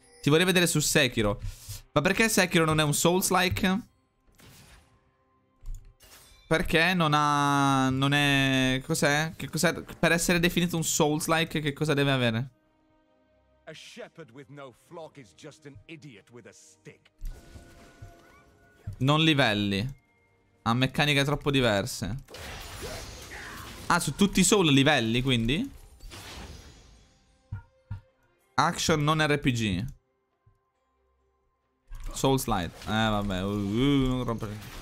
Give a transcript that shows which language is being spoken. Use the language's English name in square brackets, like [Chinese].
[Italian] Ti vorrei vedere su Sekiro. Ma perché Sekiro non è un Souls-like? Perché non ha... Non è... Cos'è? Che cos'è? Per essere definito un Souls-like, che cosa deve avere? [English] A shepherd with no flock is just an idiot with a stick. [Italian] Non livelli. Ha meccaniche troppo diverse. Ah, su tutti i soul livelli, quindi? Action non RPG. Soul Slide. Vabbè. Non rompere.